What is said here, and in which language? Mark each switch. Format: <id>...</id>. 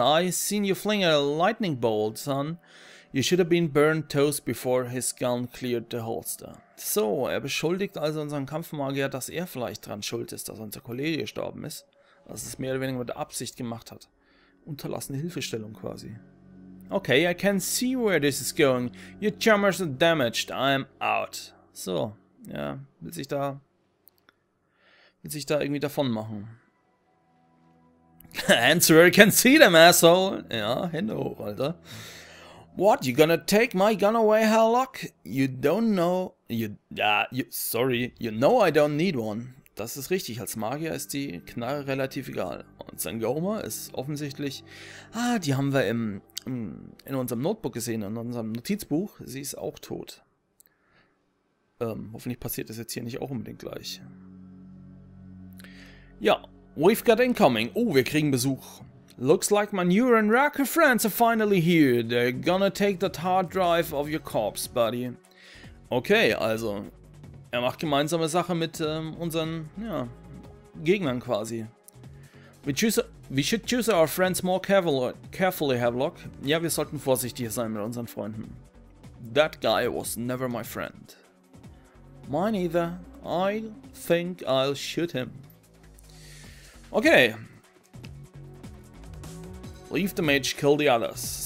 <en>I seen you fling a lightning bolt, son. You should have been burnt toast before his gun cleared the holster.</en> <de>So, er beschuldigt also unseren Kampfmagier, dass er vielleicht dran schuld ist, dass unser Kollege gestorben ist. Dass es mehr oder weniger mit Absicht gemacht hat. Unterlassene Hilfestellung quasi.</de> <en>Okay, I can see where this is going. Your charmers are damaged. I'm out.</en> <de>So, ja, will sich da irgendwie davon machen.</de> <en>Hands where you can see them, asshole.</en> <de>Ja, Hände hoch, Alter.</de> <en>What, you gonna take my gun away, Herlock? You don't know. Sorry, you know I don't need one.</en> <de>Das ist richtig, als Magier ist die Knarre relativ egal. Und Sangoma ist offensichtlich. Ah, die haben wir in unserem Notebook gesehen, in unserem Notizbuch. Sie ist auch tot. Hoffentlich passiert das jetzt hier nicht auch unbedingt gleich.</de> <en>Ja, we've got incoming.</en> <de>Oh, wir kriegen Besuch.</de> <en>Looks like my new Renraku friends are finally here. They're gonna take that hard drive of your corpse, buddy.</en> <de>Okay, also, er macht gemeinsame Sache mit unseren, ja, Gegnern quasi.</de> <en>We should choose our friends more carefully, Havelock.</en> <de>Ja, wir sollten vorsichtiger sein mit unseren Freunden.</de> <en>That guy was never my friend. Mine either. I think I'll shoot him. Okay. Leave the Mage, kill the others.</en>